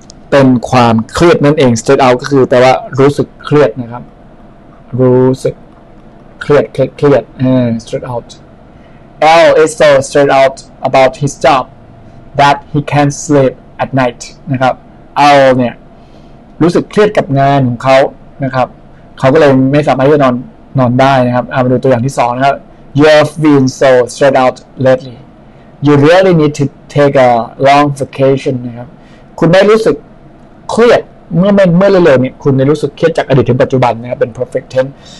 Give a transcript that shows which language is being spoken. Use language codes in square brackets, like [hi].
[th] เป็นความเครียดนั่นเอง stretch out ก็คือแต่ว่ารู้สึกเครียดนะครับรู้สึกเครียด stretch out [en] L is so stretch out about his job that he can't sleep at night [th] นะครับ L เนี่ยรู้สึกเครียดกับงานของเขานะครับเขาก็เลยไม่สามารถจะนอนได้นะครับเอามาดูตัวอย่างที่สองนะครับ [en] You've been so stressed out lately. You really need to take a long vacation. [th] นะครับคุณได้รู้สึกเครียดเมื่อเร็วๆเนี่ยคุณได้รู้สึกเครียดจากอดีตถึงปัจจุบันนะครับเป็น perfect tense.